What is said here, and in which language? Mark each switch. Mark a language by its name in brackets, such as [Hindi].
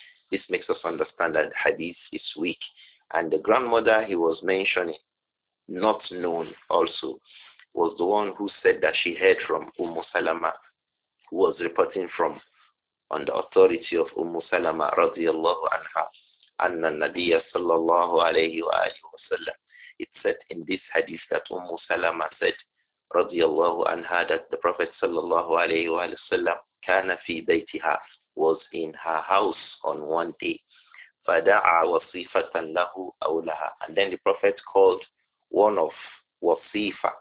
[English] This makes us understand that hadith is weak. And the grandmother he was mentioning, not known also, was the one who said that she heard from Umm Salama, who was reporting from on the authority of Umm Salama radiallahu anha. [Arabic] أن النبي صلى الله عليه وآله وسلم. [English] It said in this hadith that Umm Salama said, [Arabic] رضي الله عنها, [English] that the Prophet [Arabic] صلى الله عليه وآله وسلم كان في بيتها, [English] was in her house on one day. [Arabic] فدعا وصيفة له أو لها. [English] And then the Prophet called one of وصيفة.